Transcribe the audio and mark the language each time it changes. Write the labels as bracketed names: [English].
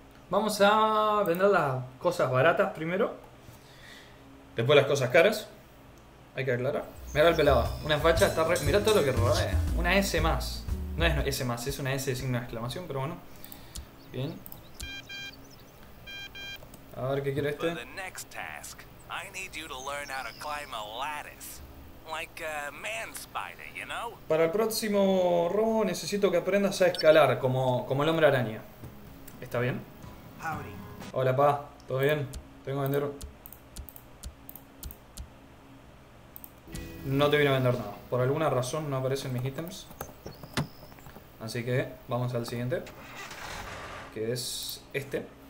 [Spanish] Vamos a vender las cosas baratas primero. Después las cosas caras. Hay que aclarar. Mirá el pelado. Una facha está re. Mirá todo lo que robé. Una S más. No es S más, es una S de signo de exclamación, pero bueno. Bien. A ver qué quiere [English] For [Spanish] este. [English] the next task, I need you to learn how to climb a lattice. Like a man spider, you know? [Spanish] Para el próximo robo necesito que aprendas a escalar como el hombre araña. ¿Está bien? [English] Howdy. [Spanish] Hola, pa. ¿Todo bien? Tengo que vender. No te vine a vender nada. Por alguna razón no aparecen mis ítems. Así que vamos al siguiente, que es este.